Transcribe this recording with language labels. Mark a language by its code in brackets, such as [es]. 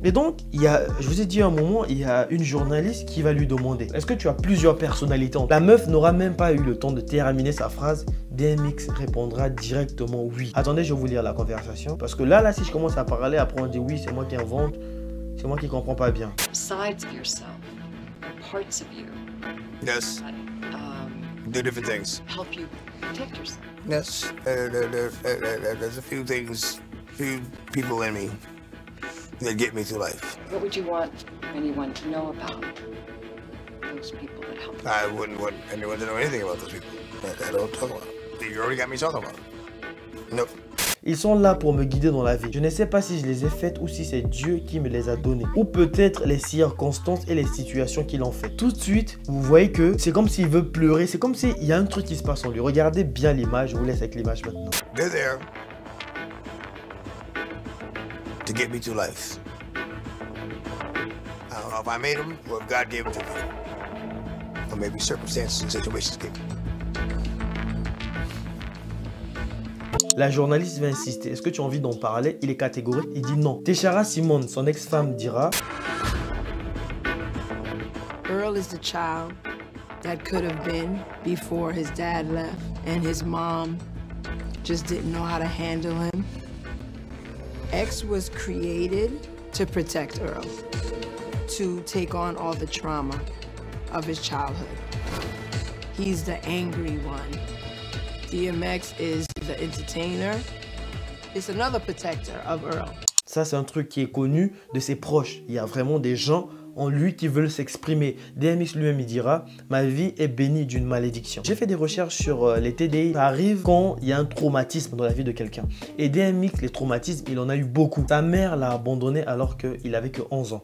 [fr] Mais donc, il y a, je vous ai dit à un moment, il y a une journaliste qui va lui demander « Est-ce que tu as plusieurs personnalités ?» La meuf n'aura même pas eu le temps de terminer sa phrase. DMX répondra directement « Oui ». Attendez, je vais vous lire la conversation. Parce que là, si je commence à parler, après on dit « Oui, c'est moi qui invente, c'est moi qui comprends pas bien. » [en] Besides of yourself, parts of you. Yes. Do different things. Help you protect yourself. Yes, there's a few things, few people in me that get me through life. What would you want anyone to know about those people that help you? I wouldn't want anyone to know anything about those people that I don't talk about. You already got me talking about. Nope. [fr] Ils sont là pour me guider dans la vie. Je ne sais pas si je les ai faites ou si c'est Dieu qui me les a données. Ou peut-être les circonstances et les situations qu'il en fait. Tout de suite, vous voyez que c'est comme s'il veut pleurer. C'est comme s'il y a un truc qui se passe en lui. Regardez bien l'image. Je vous laisse avec l'image maintenant. [en] They're there. To get me to life. I don't know if I made them or if God gave them to me. Or maybe circumstances and situations gave them. [fr] La journaliste va insister. Est-ce que tu as envie d'en parler? Il est catégorique. Il dit non. Teshara Simone, son ex-femme, dira. [en] Earl is the child that could have been before his dad left and his mom just didn't know how to handle him. X was created to protect Earl, to take on all the trauma of his childhood. He's the angry one. DMX is the entertainer. It's another protector of Earl. [fr] Ça, c'est un truc qui est connu de ses proches. Il y a vraiment des gens en lui qui veulent s'exprimer. DMX lui-même dira, ma vie est bénie d'une malédiction. J'ai fait des recherches sur les TDI. Ça arrive quand il y a un traumatisme dans la vie de quelqu'un. Et DMX, les traumatismes, il en a eu beaucoup. Sa mère l'a abandonné alors qu'il avait que 11 ans.